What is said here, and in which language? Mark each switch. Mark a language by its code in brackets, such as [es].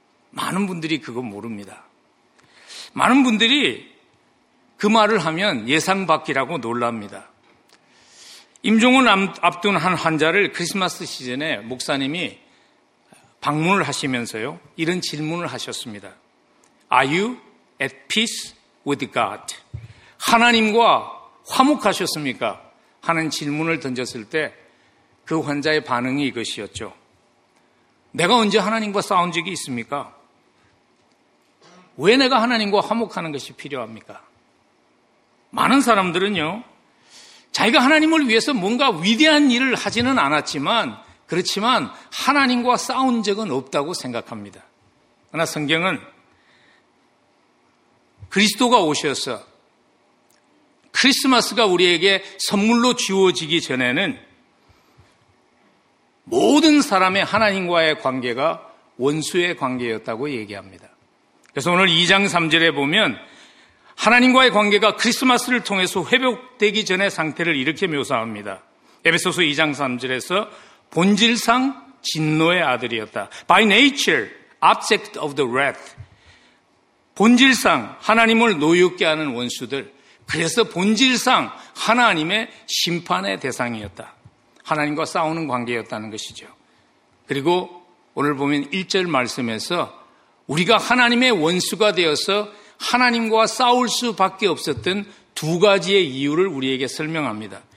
[ko] 많은 분들이 그거 모릅니다. 많은 분들이 그 말을 하면 예상받기라고 놀랍니다. 임종을 앞둔 한 환자를 크리스마스 시즌에 목사님이 방문을 하시면서요, 이런 질문을 하셨습니다. [en] Are you at peace with God? [ko] 하나님과 화목하셨습니까? 하는 질문을 던졌을 때 그 환자의 반응이 이것이었죠. 내가 언제 하나님과 싸운 적이 있습니까? 왜 내가 하나님과 화목하는 것이 필요합니까? 많은 사람들은요, 자기가 하나님을 위해서 뭔가 위대한 일을 하지는 않았지만, 그렇지만 하나님과 싸운 적은 없다고 생각합니다. 그러나 성경은 그리스도가 오셔서 크리스마스가 우리에게 선물로 주어지기 전에는 모든 사람의 하나님과의 관계가 원수의 관계였다고 얘기합니다. 그래서 오늘 2장 3절에 보면 하나님과의 관계가 크리스마스를 통해서 회복되기 전의 상태를 이렇게 묘사합니다. 에베소서 2장 3절에서 본질상 진노의 아들이었다. [en] By nature, object of the wrath. [ko] 본질상 하나님을 노엽게 하는 원수들. 그래서 본질상 하나님의 심판의 대상이었다. 하나님과 싸우는 관계였다는 것이죠. 그리고 오늘 보면 1절 말씀에서 우리가 하나님의 원수가 되어서 하나님과 싸울 수밖에 없었던 두 가지의 이유를 우리에게 설명합니다.